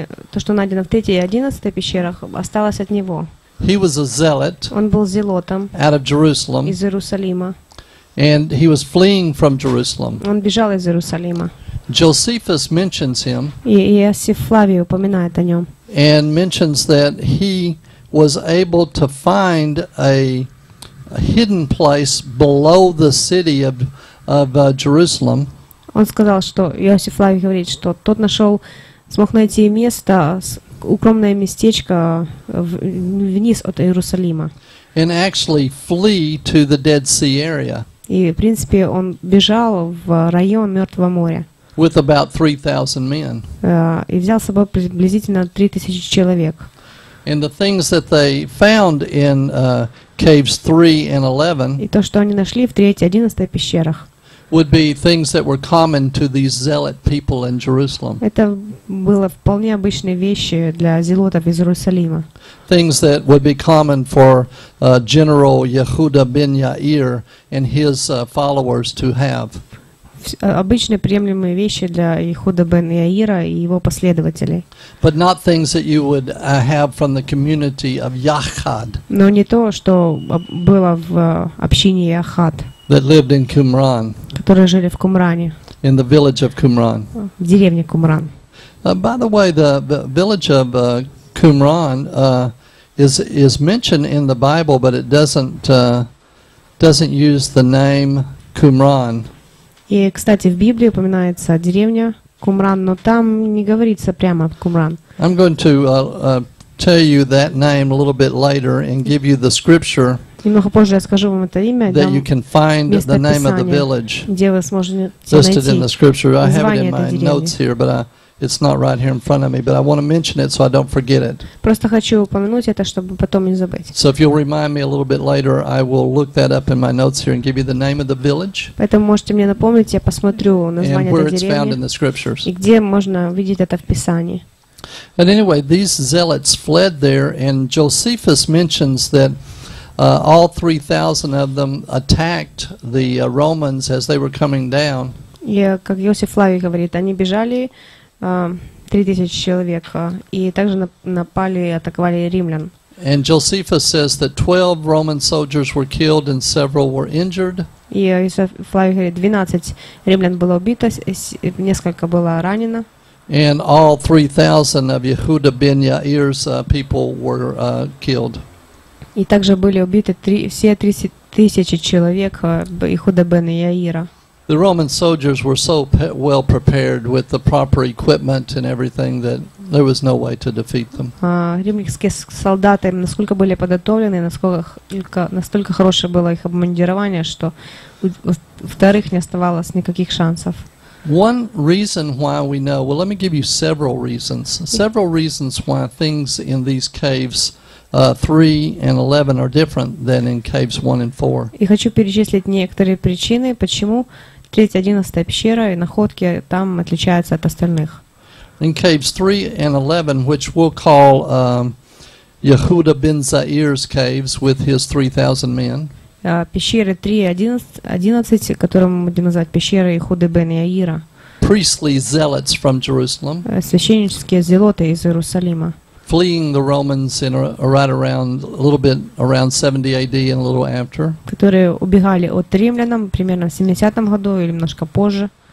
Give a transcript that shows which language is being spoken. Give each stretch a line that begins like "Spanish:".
Russian: То, что найдено в 3 и 11 пещерах, осталось от него.
English: He was a zealot.
Russian: Он был зелотом.
English: Out of Jerusalem.
Russian: Из Иерусалима.
English: And he was fleeing from Jerusalem.
Russian: Он бежал из Иерусалима.
English: Josephus mentions him.
Russian: Иосиф Флавий упоминает о нем.
English: And mentions that he was able to find a hidden place below the city of Jerusalem.
Russian: Он сказал, что Иосиф Флавий говорит, что тот нашел, смог найти место, укромное местечко вниз от Иерусалима.
English: And actually flee to the Dead Sea area.
Russian: И, в принципе, он бежал в район Мертвого моря.
English: With about 3,000 men.
Russian: И взял с собой приблизительно 3,000 человек.
English: And the things that they found in caves 3 and 11.
Russian: И то, что они нашли в 3-й, 11-й пещерах.
English: Would be things that were common to these zealot people in Jerusalem.
Russian: Это было вполне обычные вещи для зелотов из Иерусалима.
English: Things that would be common for General Yehuda ben Yair and his followers to have.
Russian: Обычные приемлемые вещи для Ихуда бен Яира и его последователей.
English: But not things that you would have from the community of Яхад.
Russian: Но не то, что было в общине Яхад.
English: That lived in Qumran.
Russian: Которые жили в Кумране.
English: In the village of Qumran.
Russian: В деревне Кумран.
English: By the way, the village of Qumran is mentioned in the Bible, but it doesn't use the name Qumran.
Russian: И, кстати, в Библии упоминается деревня Кумран, но там не говорится прямо о Кумран.
English: I'm going to tell you that name a little bit later and give you the scripture.
Russian: Немного позже я скажу вам это имя,
English: that you can find the name of the village.
Russian: Где вы сможете найти?
English: Listed in the scripture. I have it in my notes here, but it's not right here in front of me. But I want to mention it so I don't forget it.
Russian: Просто хочу упомянуть это, чтобы потом не забыть.
English: So if you'll remind me a little bit later, I will look that up in my notes here and give you the name of the village.
Russian: Поэтому можете мне напомнить, я посмотрю название этой деревни.
English: And where it's found in the scriptures.
Russian: И где можно увидеть это в Писании.
English: But anyway, these zealots fled there, and Josephus mentions that all 3,000 of them attacked the Romans as they were coming down.
Russian: Yeah, как Иосиф Флавий говорит, они бежали 3,000 человек и также напали и атаковали римлян.
English: And Josephus says that 12 Roman soldiers were killed and several were injured.
Russian: И Иосиф Флавий говорит, 12 римлян было убито, несколько было ранено.
English: And all 3,000 of Yehuda ben Yair's people were killed.
Russian: И также были убиты все 3,000 человек Ихуда бен Яира.
English: The Roman soldiers were so well prepared with the proper equipment and everything that there was no way to defeat them.
Russian: Римские солдаты насколько были подготовлены, настолько хорошее было их обмундирование, что вторых не оставалось никаких шансов.
English: One reason why we know, well, let me give you several reasons. Several reasons why things in these caves 3 and 11 are different than in caves 1 and 4.
Russian: И хочу перечислить некоторые причины, почему 3-я, 11-я пещера и находки там отличаются от остальных.
English: In caves 3 and 11, which we'll call Yehuda ben Zair's caves with his 3,000 men.
Russian: Пещеры 3 и 11, которые мы будем называть пещеры Ихуды бен Яира.
English: Priestly zealots from Jerusalem.
Russian: Священнические зелоты из Иерусалима.
English: Fleeing the Romans in right around a little bit around 70 AD and a little after.
Russian: Которые убегали от римлян примерно в 70-м году или немножко позже.